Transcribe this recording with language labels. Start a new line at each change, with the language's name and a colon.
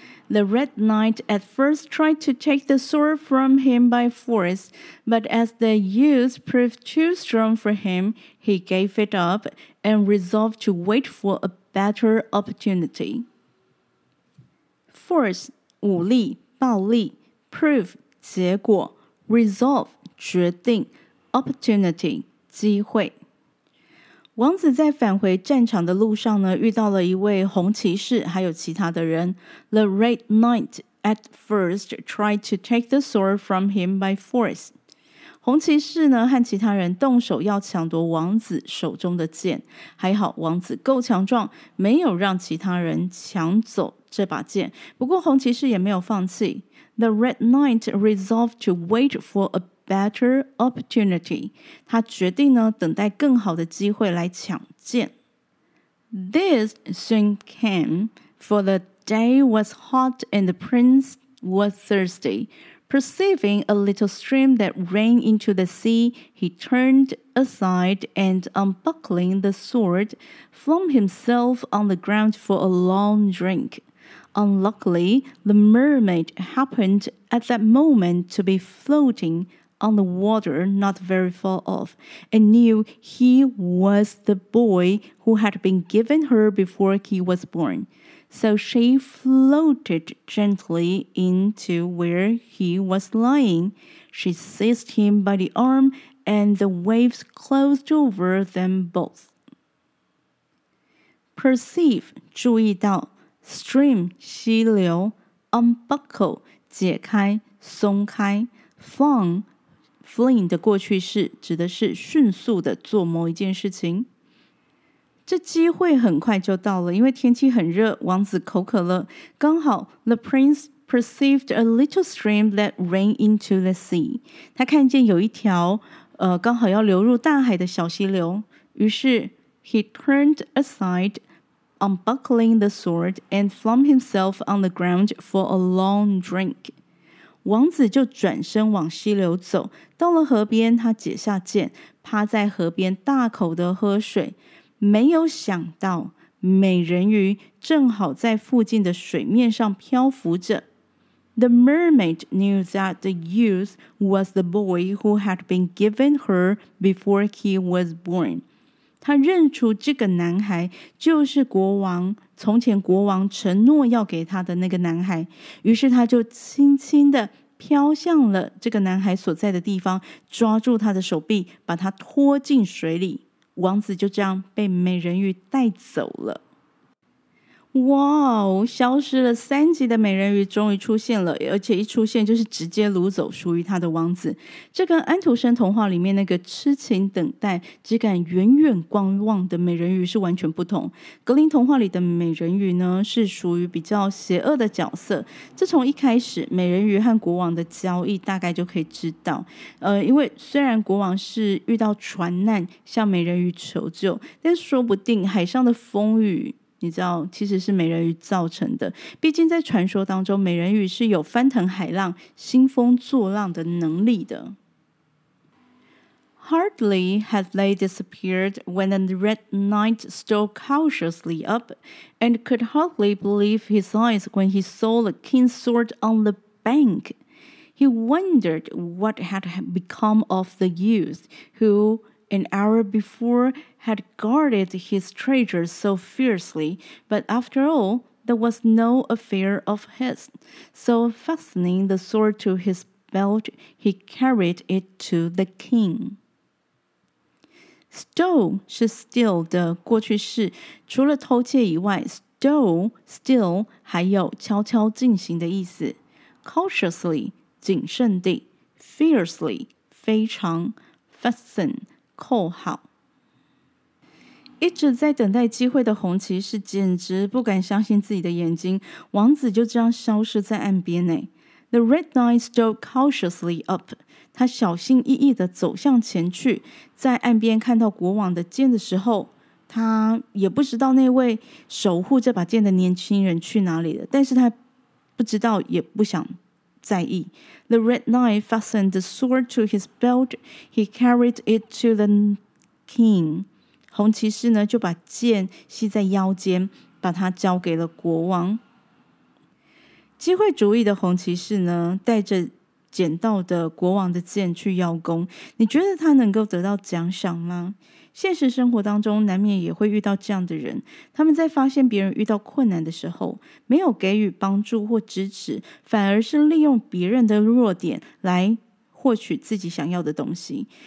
English: The red knight at first tried to take the sword from him by force, but as the youth proved too strong for him, he gave it up and resolved to wait for a better opportunity.
Chinese: Force, 武力、暴力 proof, 结果 resolve, 决定 opportunity, 机会。王子在返回战场的路上呢，遇到了一位红骑士，还有其他的人。
English: The Red Knight at first tried to take the sword from him by force.
Chinese: 红骑士呢和其他人动手要抢夺王子手中的剑，还好王子够强壮，没有让其他人抢走这把剑。不过红骑士也没有放弃。
English: The Red Knight resolved to wait for a better opportunity.
Chinese: 他决定呢等待更好的机会来抢剑。
English: This soon came, for the day was hot and the prince was thirsty. Perceiving a little stream that ran into the sea, he turned aside and unbuckling the sword, flung himself on the ground for a long drink. Unluckily, the mermaid happened at that moment to be floating on the water not very far off, and knew he was the boy who had been given her before he was born. So she floated gently into where he was lying. She seized him by the arm, and the waves closed over them both.
Chinese: Perceive, 注意到, stream, 溪流, unbuckle, 解开, 松开, flung,Fling 的过去式指的是迅速的做某一件事情。这机会很快就到了，因为天气很热，王子口渴了。刚好
English: The prince perceived a little stream that ran into the sea.
Chinese: 他看见有一条刚好要流入大海的小溪流，于是
English: he turned aside, unbuckling the sword and flung himself on the ground for a long drink.
Chinese: 王子就转身往溪流走，到了河边，他解下剑，趴在河边大口的喝水。没有想到，美人鱼正好在附近的水面上漂浮着。
English: The mermaid knew that the youth was the boy who had been given her before he was born.
Chinese: 他认出这个男孩就是国王从前国王承诺要给他的那个男孩，于是他就轻轻地飘向了这个男孩所在的地方，抓住他的手臂，把他拖进水里。王子就这样被美人鱼带走了。哇哦，消失了三集的美人鱼终于出现了，而且一出现就是直接掳走属于他的王子。这跟安徒生童话里面那个痴情等待只敢远远观望的美人鱼是完全不同。格林童话里的美人鱼呢是属于比较邪恶的角色，这从一开始美人鱼和国王的交易大概就可以知道。因为虽然国王是遇到船难向美人鱼求救，但说不定海上的风雨你知道其实是美人鱼造成的。毕竟在传说当中，美人鱼是有翻腾海浪兴风作浪的能力的。
English: Hardly had they disappeared when a red knight stole cautiously up and could hardly believe his eyes when he saw the king's sword on the bank. He wondered what had become of the youth who, an hour before, had guarded his treasure so fiercely, but after all, that was no affair of his. So, fastening the sword to his belt, he carried it to the king.
Chinese: Stole 是 steal 的过去式，除了偷窃以外 ，stole steal 还有悄悄进行的意思。 Cautiously 谨慎地 ，fiercely 非常 ，fasten 扣好。一直在等待机会的红骑士简直不敢相信自己的眼睛，王子就这样消失在岸边呢。
English: The red knight stole cautiously up.
Chinese: 他小心翼翼地走向前去，在岸边看到国王的剑的时候，他也不知道那位守护这把剑的年轻人去哪里了，但是他不知道也不想在意。
English: The red knight fastened the sword to his belt. He carried it to the king.
Chinese: 红骑士呢，就把剑系在腰间，把它交给了国王。机会主义的红骑士呢，带着捡到的国王的剑去邀功，你觉得他能够得到奖赏吗？现实生活当中难免也会遇到这样的人，他们在发现别人遇到困难的时候，没有给予帮助或支持，反而是利用别人的弱点来获取自己想要的东西。